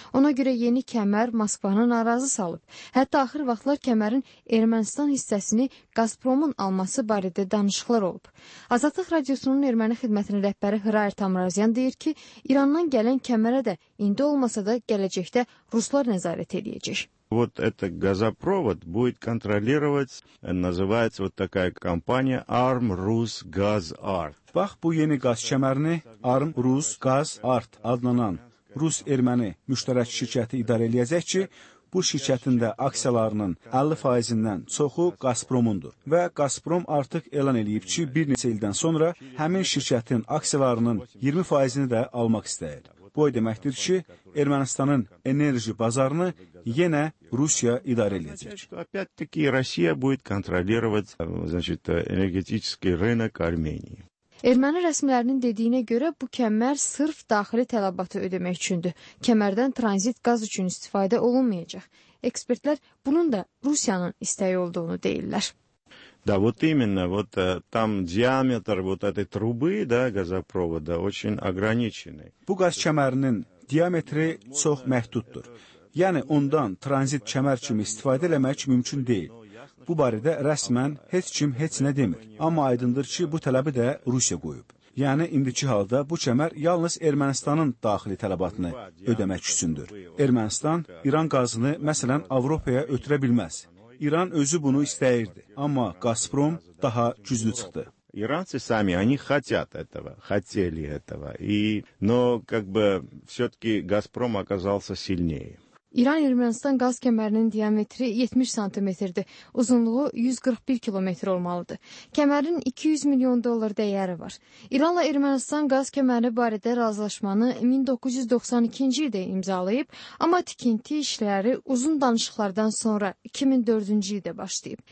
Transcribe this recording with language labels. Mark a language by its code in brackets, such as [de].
[az] Ona görə yeni kəmər Moskvanı narazı salıb. Hətta axır vaxtlar kəmərin Ermənistan hissəsini Qazpromun alması barədə danışıqlar olub. Azadlıq radiosunun erməni xidmətinin rəhbəri Hrayr Tamrazyan deyir ki, İrandan gələn kəmərə də indi olmasa da gələcəkdə ruslar nəzarət edəcək. [ru] Вот это газопровод будет контролировать, называется вот такая компания ArmRusGazArt. [az] Bax, bu yeni qaz kəmərini ArmRusGazArt adlanan Rus-Erməni müştərək şirkəti idarə edəcək ki, bu şirkətində aksiyalarının 50%-dən çoxu Qazpromundur və Qazprom artıq elan eləyib ki, bir neçə ildən sonra həmin şirkətin aksiyalarının 20%-ni də almaq istəyir. Bu o deməkdir ki, Ermənistanın enerji bazarını yenə Rusiya idarə edəcək. [ru] Опять-таки Россия будет контролировать, значит, энергетический рынок Армении. [az] Erməni rəsmilərinin dediyinə görə bu kəmər sırf daxili tələbatı ödəmək üçündür. Kəmərdən tranzit qaz üçün istifadə olunmayacaq. Ekspertlər bunun da Rusiyanın istəyi olduğunu deyirlər. [ru] Да, вот именно, вот там диаметр вот этой трубы, да, газопровода очень ограниченный. [az] Bu qaz kəmərinin diametri çox məhduddur. Yəni ondan tranzit kəmər kimi istifadə etmək mümkün deyil. Bu barədə rəsmən heç kim heç nə demir, amma aydındır ki, bu tələbi də Rusiya qoyub. Yəni, indiki halda bu kəmər yalnız Ermənistanın daxili tələbatını ödəmək üçündür. Ermənistan İran qazını, məsələn, Avropaya ötürə bilməz. İran özü bunu istəyirdi, amma Qazprom daha güclü çıxdı. [ru] İranцы сами, они хотят этого, хотели этого. И, но как бы всё-таки Газпром оказался сильнее. [az] İran-Ermənistan qaz kəmərinin diametri 70 cm-dir. Uzunluğu 141 km olmalıdır. Kəmərin 200 milyon dollar dəyəri var. İranla Ermənistan qaz kəməri barədə razılaşmanı 1992-ci ildə imzalayıb, amma tikinti işləri uzun danışıqlardan sonra 2004-cü ildə başlayıb.